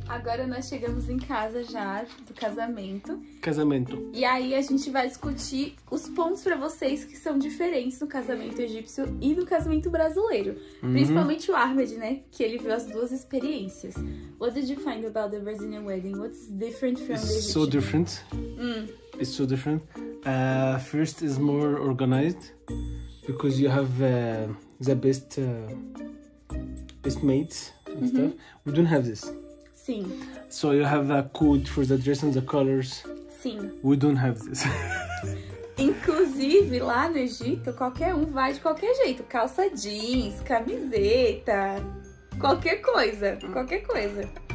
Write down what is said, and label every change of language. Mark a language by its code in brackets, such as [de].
[pt] agora nós chegamos em casa já do casamento. Casamento. E aí a gente vai discutir os pontos pra vocês que são diferentes no casamento egípcio e no casamento brasileiro. Uhum. Principalmente o Ahmed, né? Que ele viu as duas experiências. [en] What did you find about the Brazilian wedding? What's different from It's the Egyptian? So different. It's so different. First is more organized because you have the best mates and mm-hmm. stuff. We don't have this. [pt] Sim. [en] So you have a code for the dress and the colors. [pt] Sim. [en] We don't have this. [pt] Inclusive, lá no Egito, qualquer um vai de qualquer jeito. Calça jeans, camiseta, qualquer coisa, qualquer coisa.